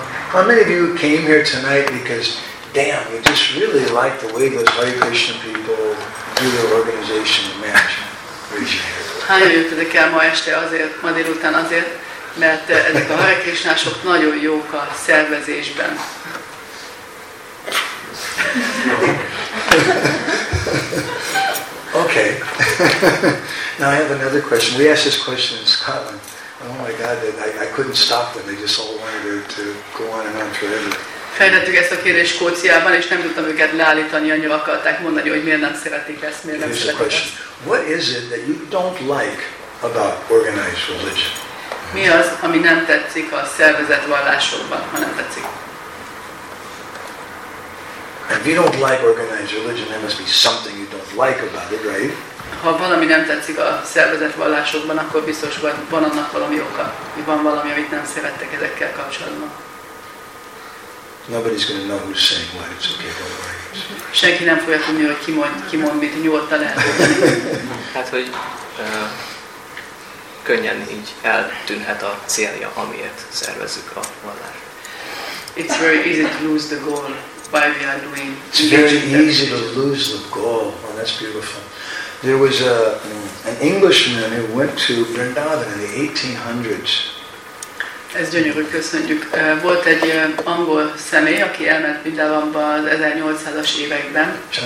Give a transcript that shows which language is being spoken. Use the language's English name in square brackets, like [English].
[English] How many of you came here tonight because, damn, you just really like the way those Hare Krishna people do their organization and management? [Hungarian] Hányan jöttetek el ma este azért, ma délután azért, mert ezek a Hare Krishnások nagyon jók a szervezésben. [English] Okay. Now I have another question. We asked this question in Scotland. Oh my God, I couldn't stop them. They just all wanted to go on and on forever. [Hungarian] Feltettük ezt a kérdést Skóciában, és nem tudtam őket leállítani, annyira akarták mondani, hogy miért nem szeretik ezt, miért nem szeretik ezt. [English] What is it that you don't like about organized religion. [Hungarian] Mi az, ami nem tetszik a szervezett vallásokban, ha nem tetszik? [English] And if you don't like organized religion, there must be something you don't like about it, right? [Hungarian] Ha valami nem tetszik a szervezett vallásokban, akkor biztos van annak valami oka. Van valami, amit nem szerettek ezekkel kapcsolatban. [English] Nobody's going to know who's saying what. It's okay, don't worry. [Hungarian] Senki nem fogja tudni, hogy ki mond mit, nyugodtan elmondani. Hát, hogy könnyen így eltűnhet a célja, amiért szervezzük a vallást. [English] It's very easy to lose the goal. Why we are doing. It's very easy to lose the goal. Oh, that's beautiful. There was an Englishman who went to Vrindavan in the 1800s. [Hungarian] Ez gyönyörű, köszönjük. Volt egy angol személy, aki elment Vrindavanba az 1800-as években.